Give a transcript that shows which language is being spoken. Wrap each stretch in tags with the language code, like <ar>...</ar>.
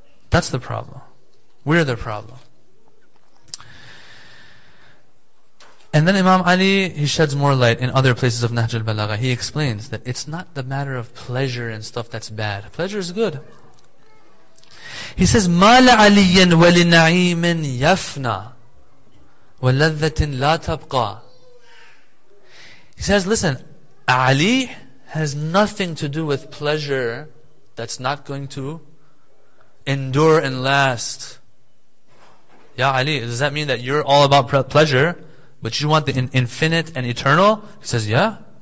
<en>That's the problem. We're the problem. And then Imam Ali, he sheds more light in other places of Nahj al-Balagha. He explains that it's not the matter of pleasure and stuff that's bad. Pleasure is good. He says,</en> <ar>مَا لَعَلِيًّا وَلِنَعِيمٍ يَفْنَى وَلَذَّةٍ لَا تَبْقَى.</ar> <en>He says, listen, Ali has nothing to do with pleasure that's not going to endure and last. Ya Ali, does that mean that you're all about pleasure? But you want the infinite and eternal? He says, yeah.</en>